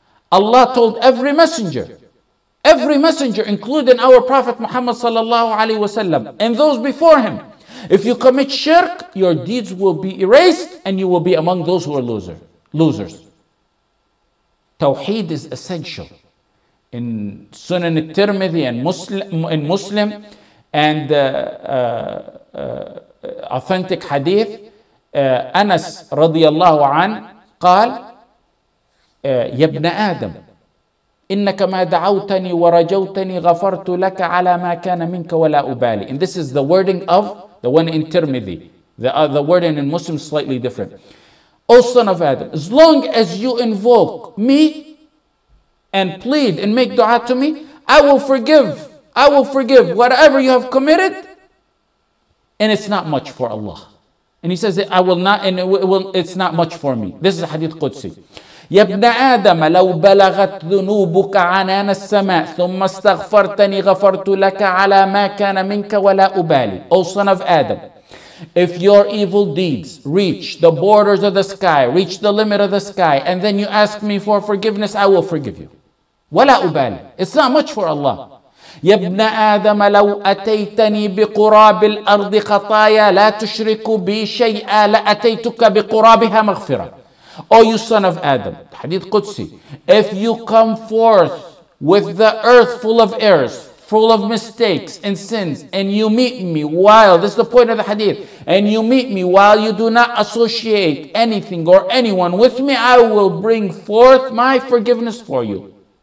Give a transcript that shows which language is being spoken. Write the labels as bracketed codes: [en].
[en] Allah told every messenger, including our Prophet Muhammad sallallahu alaihi wasallam, and those before him, if you commit shirk, your deeds will be erased and you will be among those who are losers. Tawheed is essential. In Sunan al-Tirmidhi and Muslim and authentic hadith, [ar] أنس رضي الله عنه قال يا ابن آدم إنك ما دعوتني ورجوتني غفرت لك على ما كان منك ولا أبالي. [en] And this is the wording of the one in Tirmidhi. The wording in Muslim is slightly different. O son of Adam, as long as you invoke me and plead and make dua to me, I will forgive whatever you have committed, and it's not much for Allah. And he says, it's not much for me. This is Hadith Qudsi. [ar] يَبْنَ آدَمَ لَوْ بَلَغَتْ ذُنُوبُكَ عَنَانَ السَّمَاءِ ثُمَّ اسْتَغْفَرْتَنِي غَفَرْتُ لَكَ عَلَى مَا كَانَ مِنْكَ وَلَا أُبَالِي. [en] O son of Adam, if your evil deeds reach the borders of the sky, reach the limit of the sky, and then you ask me for forgiveness, I will forgive you. [ar] ولا أبالي. [en] It's not much for Allah. [ar] يا ابن آدم لو أتيتني بقراب الأرض خطايا لا تشرك بي شيئا لأتيتك بقرابها مغفرة. [en] O you son of Adam, Hadith Qudsi, if you come forth with the earth full of errors, full of mistakes and sins, and you meet me while, this is the point of the hadith, and you meet me while you do not associate anything or anyone with me, I will bring forth my forgiveness for you.